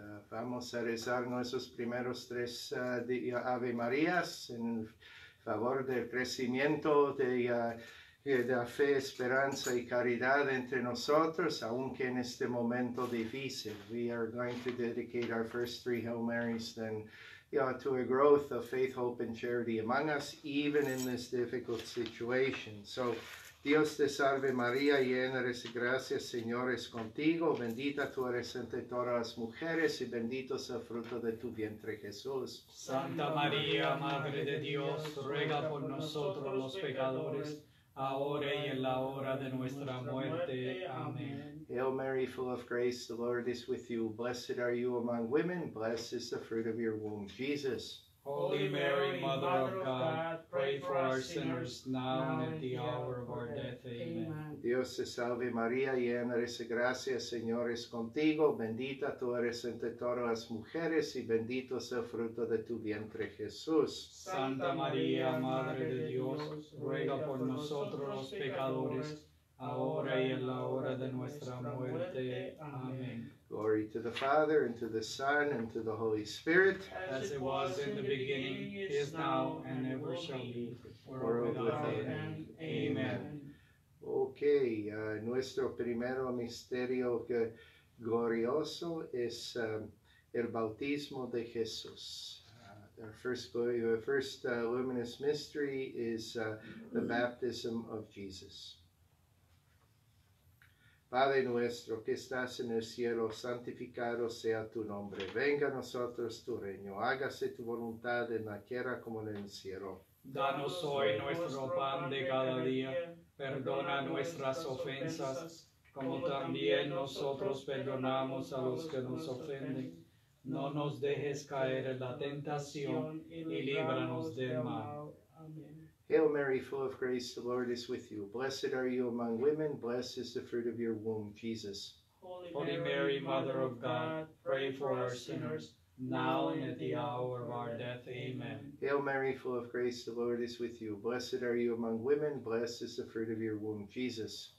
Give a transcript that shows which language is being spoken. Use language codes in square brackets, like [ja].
[es] Vamos a rezar nuestros primeros tres Ave Marías en favor del crecimiento de la fe, esperanza y caridad entre nosotros, aunque en este momento difícil. [en] We are going to dedicate our first three Hail Marys then to a growth of faith, hope, and charity among us, even in this difficult situation. [es] So, Dios te salve María, llena eres de gracia, Señor es contigo, bendita tú eres entre todas las mujeres, y bendito es el fruto de tu vientre, Jesús. Santa María, Madre de Dios, ruega por nosotros los pecadores, ahora y en la hora de nuestra muerte. Amén. [en] Hail Mary, full of grace, the Lord is with you. Blessed are you among women, blessed is the fruit of your womb, Jesus. Holy Mary, Mother of God, pray for our sinners now and at the hour of our death. Amen. [es] Dios te salve María, llena eres de gracia, Señor es contigo. Bendita tú eres entre todas las mujeres y bendito es el fruto de tu vientre, Jesús. Santa María, Madre de Dios, ruega por nosotros los pecadores, ahora y en la hora de nuestra muerte. Amén. [en] Glory to the Father, and to the Son, and to the Holy Spirit. As it was in the beginning, is now, and ever shall be, world without end. Amen. [es] Okay, nuestro primero misterio glorioso es el bautismo de Jesús. [en] Our first luminous mystery is the baptism of Jesus. [es] Padre nuestro que estás en el cielo, santificado sea tu nombre. Venga a nosotros tu reino. Hágase tu voluntad en la tierra como en el cielo. Danos hoy nuestro pan de cada día. Perdona nuestras ofensas, como también nosotros perdonamos a los que nos ofenden. No nos dejes caer en la tentación y líbranos del mal. Amén. [en] Hail Mary, full of grace, the Lord is with you. Blessed are you among women, blessed is the fruit of your womb, Jesus. Holy Mary, Mother of God, pray for our sinners, now and at the hour of our death. Amen. Hail Mary, full of grace, the Lord is with you. Blessed are you among women, blessed is the fruit of your womb, Jesus.